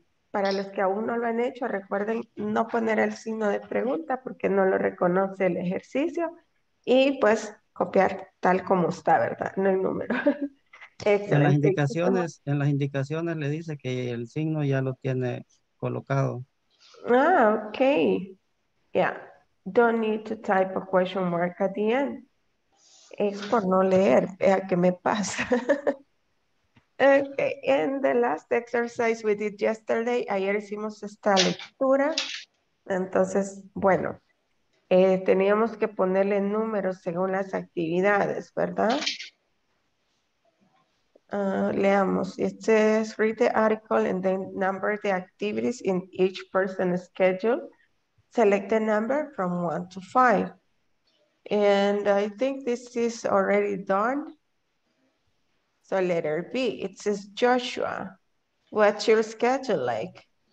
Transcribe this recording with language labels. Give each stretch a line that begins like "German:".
Spanish: Para los que aún no lo han hecho, recuerden no poner el signo de pregunta porque no lo reconoce el ejercicio. Y pues copiar tal como está, ¿verdad? No el número. En las indicaciones, le dice que el signo ya lo tiene colocado.
English: Ah, okay. Yeah. Don't need to type a question mark at the end.
Spanish: Es por no leer, vea qué me pasa.
English: Okay, and the last exercise we did yesterday,
Spanish: ayer hicimos esta lectura. Entonces, bueno, teníamos que ponerle números según las actividades, ¿verdad? Leamos.
English: It says, read the article and then number the activities in each person's schedule. Select a number from 1 to 5. And I think this is already done. So letter B, it says, Joshua, what's your schedule like?